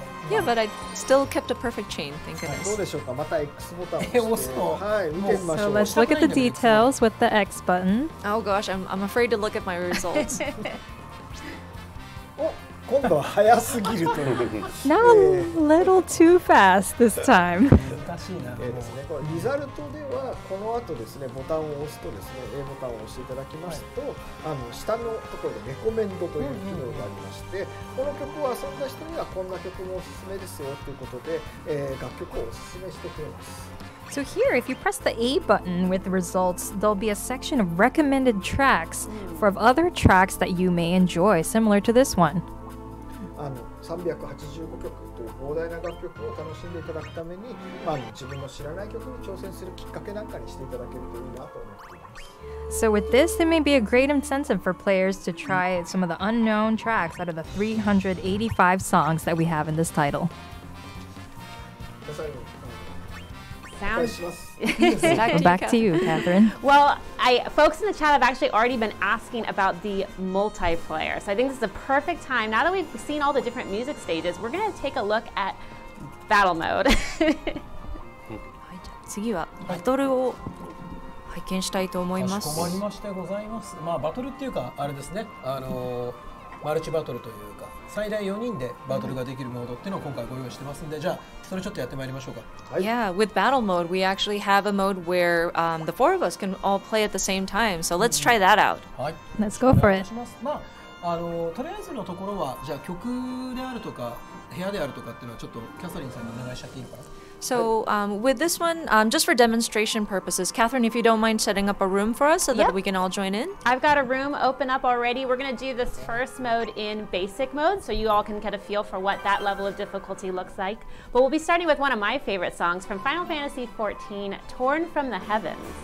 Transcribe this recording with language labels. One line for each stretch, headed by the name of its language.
English: Yeah, but I still kept a perfect chain, thank goodness.
Japanese: どうでしょうか、また X ボタンを押して、はい、見てみましょう。
English: So let's look at the details with the X button. Oh gosh, I'm afraid to look at my results.
Japanese: お、今度は早すぎるという
English: 。 Now a little too fast this time.
Japanese: 難しいな。ですね、これリザルトではこの後ですね、ボタンを押すとですね、A ボタンを押していただきますと、あの下のところでレコメンドという機能がありまして、この曲を遊んだ人にはこんな曲もおすすめですよということで、楽曲をおすすめしてくれます。
English: So here, if you press the A button with the results, there'll be a section of recommended tracks for other tracks that you may enjoy, similar to this one.
Japanese: あの385曲という膨大な楽曲を楽しんでいただくために、まあ、自分の知らない曲に挑戦するきっかけなんかにしていただけるといいなと思っています。
English: So with this, it may be a great incentive for players to try some of the unknown tracks out of the 385 songs that we have in this title. Sounds back to you, Catherine. Well, folks in the chat have actually already been asking about the multiplayer. So I think this is a perfect time. Now that we've seen all the different music stages, we're going to take a look at battle mode.
Japanese: はい、次はバトルを拝見したいと思います。かしこまりましてございます。まあバトルっていうかあれですね。あのマルチバトルというか最大4人でバトルができるモードっていうのを今回ご用意してますんで、じゃあそれちょっとやってまいりましょうか。
English: はい、yeah, with battle mode, we actually have a mode where the four of us can all play at the same time. So let's try that out.
Japanese: はい。
English: Let's go for it.
Japanese: まあ、あのとりあえずのところは、じゃあ曲であるとか部屋であるとかっていうのはちょっとキャサリンさんにお願いしちゃっていいのかな。
English: So with this one, just for demonstration purposes, Catherine, if you don't mind setting up a room for us so that we can all join in. I've got a room open up already. We're going to do this first mode in basic mode so you all can get a feel for what that level of difficulty looks like. But we'll be starting with one of my favorite songs from Final Fantasy XIV, Torn from the Heavens.